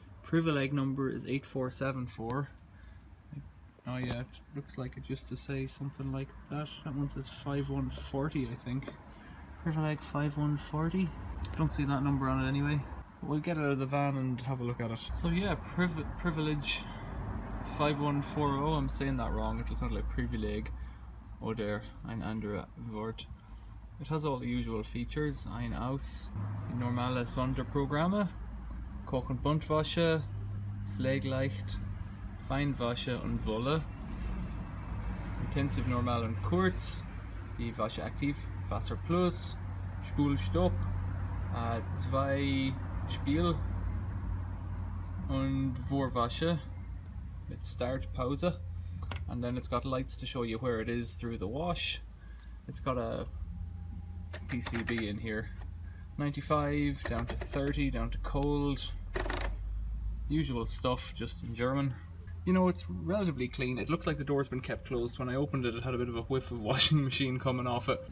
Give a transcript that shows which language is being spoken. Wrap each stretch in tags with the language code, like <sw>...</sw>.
<en>Privileg number is 8474. Oh yeah, it looks like it used to say something like that. That one says 5140, I think. Privileg 5140. Don't see that number on it anyway. We'll get out of the van and have a look at it. So yeah, Privilege 5140. I'm saying that wrong. It'll sound like Privileg</en> <de>oder ein anderer Wort.</de> <en>It has all the usual features.</en> <de>Ein Aus, normale Sonderprogramme, Koch und Buntwasche, Pflegeleicht, Feinwasche und Wolle, Intensiv, Normal und Kurz, die Wasche aktiv, Wasser Plus, Spulstopp, zwei Spiel und Vorwasche mit Start, Pause.</de> <en>And then it's got lights to show you where it is through the wash. It's got a PCB in here. 95, down to 30, down to cold. Usual stuff, just in German. You know, it's relatively clean. It looks like the door's been kept closed. When I opened it, it had a bit of a whiff of washing machine coming off it.</en>